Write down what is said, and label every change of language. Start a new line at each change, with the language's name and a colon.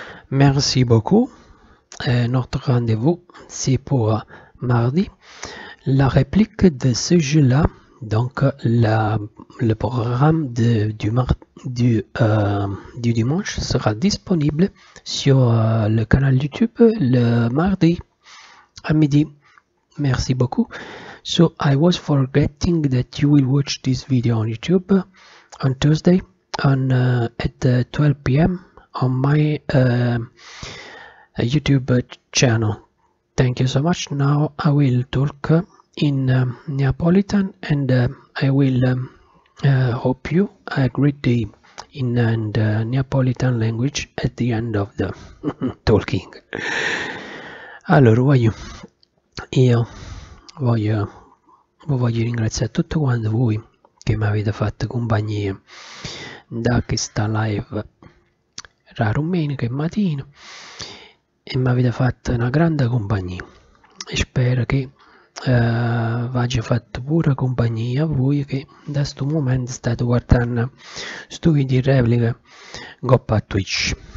French: Merci beaucoup. Et notre rendez-vous, c'est pour mardi. La réplique de ce jeu-là, donc le programme du dimanche sera disponible sur le canal YouTube le mardi à midi. Merci beaucoup.
English: So, I was forgetting that you will watch this video on YouTube on Thursday at 12 p.m. on my YouTube channel. Thank you so much. Now I will talk in Neapolitan and I will hope you a great day in the Neapolitan language at the end of the talking.
Italian: Allora, voglio ringraziare tutti quanti voi che mi avete fatto compagnia da questa live domenica mattina. E mi avete fatto una grande compagnia e spero che vi abbia fatto pure compagnia a voi che da questo momento state guardando studi di replica Coppa Twitch.